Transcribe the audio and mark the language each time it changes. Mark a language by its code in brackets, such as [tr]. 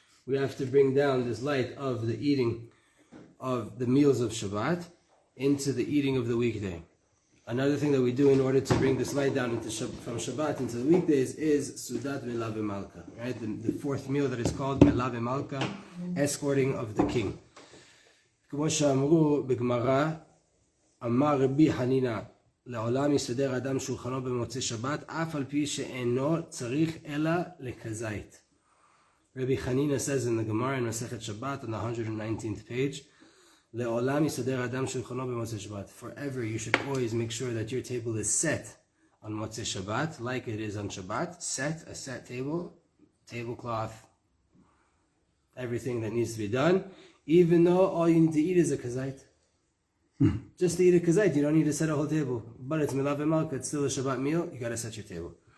[en] We have to bring down this light of the eating of the meals of Shabbat into the eating of the weekday. Another thing that we do in order to bring this light down into from Shabbat into the weekdays is sudat melah b'malka, right? The fourth meal that is called melah b'malka, escorting of the king. [he] Kmo she'amru b'gemara, amar Rabbi Hanina, לעולם יסדר אדם שולחנו במוצאי שבת, אף על פי שאינו צריך אלא לכזית. [en] רבי חנינה says in the Gemara in מסכת שבת, on the 119th page, [he] לעולם יסדר אדם שולחנו במוצאי שבת. [en] Forever you should always make sure that your table is set on מוצאי שבת, like it is on Shabbat, set, a set table, tablecloth, everything that needs to be done, even though all you need to eat is a כזית. Just to eat a kazait, you don't need to set a whole table. But it's melah b'malka, it's still a Shabbat meal, you got to set your table.